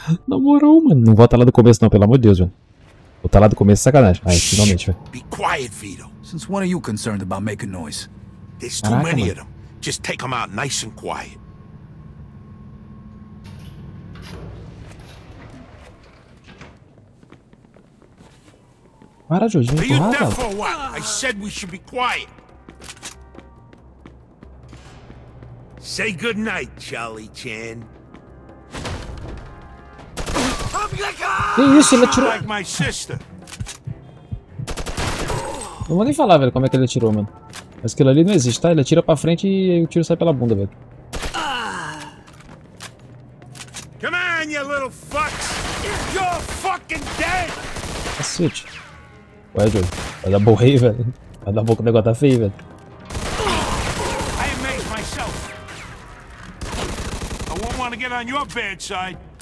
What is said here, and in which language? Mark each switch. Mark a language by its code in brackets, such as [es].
[pt] Na moral, mano. Não volta lá do começo, não, pelo amor de Deus, velho. Vou estar lá do começo, sacanagem. Aí, finalmente, velho. [en] Be quiet, Vito. Since when are you concerned about making noise? There's too many of them. Just take them out nice and quiet. [pt] Para, Jorginho, [en] are you deaf or what? I said we should be quiet. Say good night, Charlie Chan. [pt] Que isso, ele atirou. Não vou nem falar, velho, como é que ele atirou, mano. Mas aquilo ali não existe, tá? Ele atira pra frente e o tiro sai pela bunda, velho. [en] Come on, you little fucks! You're fucking dead! [pt] Cacete. Ué, Joe, vai dar boa aí, velho. Vai dar boa que o negócio tá feio, velho. [en] I amazed myself. I won't want to get on your bad side.